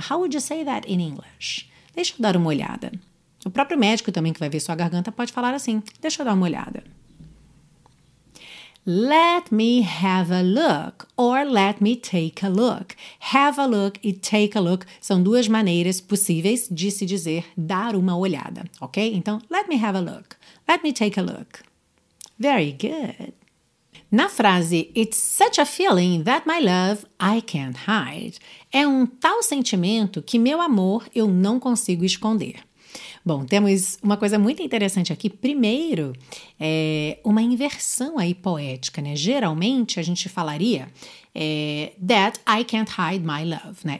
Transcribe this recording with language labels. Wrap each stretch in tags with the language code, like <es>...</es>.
<en>How would you say that in English?</en> <pt>Deixa eu dar uma olhada. O próprio médico também que vai ver sua garganta pode falar assim, deixa eu dar uma olhada.</pt> <en>Let me have a look or let me take a look. Have a look</en> <pt>e</pt> <en>take a look</en> <pt>são duas maneiras possíveis de se dizer dar uma olhada, ok? Então,</pt> <en>let me have a look, let me take a look. Very good.</en> <pt>Na frase,</pt> <en>it's such a feeling that my love I can't hide.</en> <pt>É um tal sentimento que meu amor eu não consigo esconder. Bom, temos uma coisa muito interessante aqui. Primeiro, uma inversão aí poética, né? Geralmente, a gente falaria</pt> <en>that I can't hide my love,</en> <pt>né?</pt>